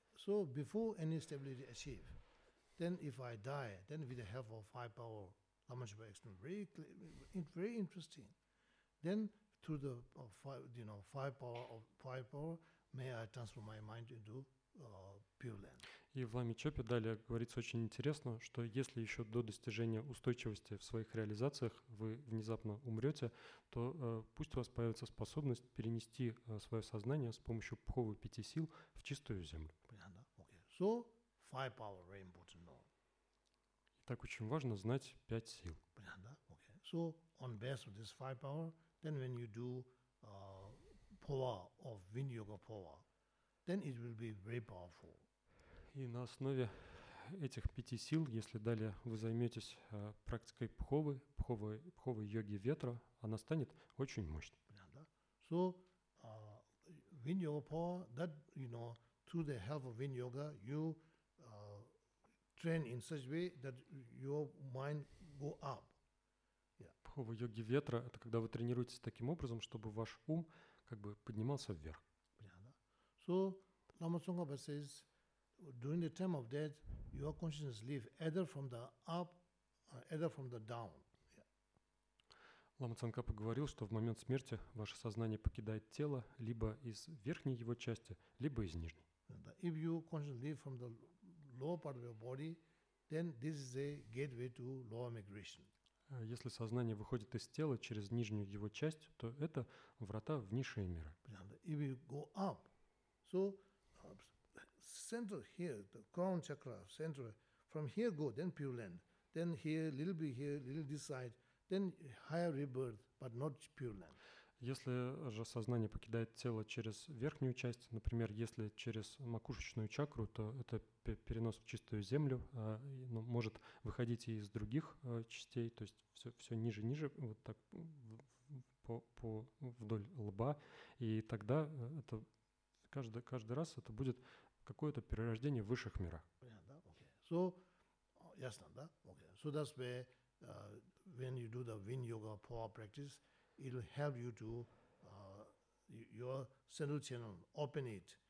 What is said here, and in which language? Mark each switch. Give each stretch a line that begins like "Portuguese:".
English: So before any stability achieved, then if I die, then with the help of five power, Lama Shubha explained very clear, very interesting. Then through the five power, may I transfer my mind into pure land.
Russian: И в Ламе Чопе далее говорится очень интересно, что если еще до достижения устойчивости в своих реализациях вы внезапно умрете, то пусть у вас появится способность перенести свое сознание с помощью пховы пяти сил в чистую землю. Понятно?
English: Okay. So, five power very important to know.
Russian: Так очень важно знать пять сил. Понятно? Okay.
English: So, on base of this five power, then when you do power of wind yoga power, then it will be very powerful.
Russian: И на основе этих пяти сил, если далее вы займетесь практикой пховы, пховой йоги ветра, она станет очень мощной.
English: So, wind yoga power, that, you know, through the help of wind yoga, you train in such way that your mind go up. Yeah.
Russian: Пхова йоги ветра, это когда вы тренируетесь таким образом, чтобы ваш ум как бы поднимался вверх.
English: So, Lama Tsongkhapa says, during the time of death, your consciousness leaves either from the up, either from the down.
Russian: Лама Цанкапа говорил, что в момент смерти ваше сознание покидает тело либо из верхней его части, либо из нижней.
English: If your consciousness leaves from the lower part of your body, then this is a gateway to lower migration.
Russian: Если сознание выходит из тела через нижнюю его часть, то это врата в низшие миры.
English: If you go up, so center here, the crown chakra, center, from here go, then pure land. Then here, little bit here, little this side, then higher rebirth, but not pure land.
Russian: Если же сознание покидает тело через верхнюю часть, например, если через макушечную чакру, то это перенос в чистую землю, но может выходить и из других частей, то есть все ниже, вот так по вдоль лба, и тогда это каждый раз это будет какое-то перерождение в высших мирах.
English: So,
Russian: ясно, да?
English: Okay. So that's where, when you do the wind yoga power practice, it will help you to your central channel, open it.